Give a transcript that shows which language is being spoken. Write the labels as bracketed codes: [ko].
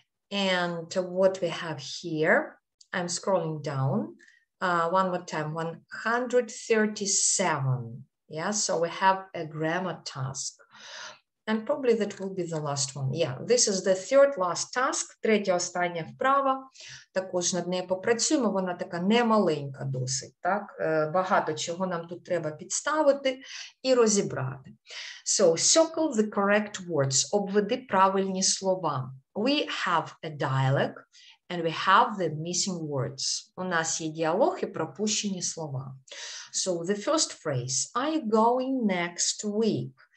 [en] And what we have here, I'm scrolling down. One more time, 137. Yeah, so we have a grammar task. And probably that will be the last one. Yeah, this is the third last task. [uk] Третя остання вправа. Також над нею попрацюємо. Вона така немаленька досить, так? Багато чого нам тут треба підставити і розібрати. [en] So, circle the correct words. [uk] Обведи правильні слова. [en] We have a dialogue. And we have the missing words. [uk] У нас є діалог і пропущені слова. [en] So the first phrase, are you going next week?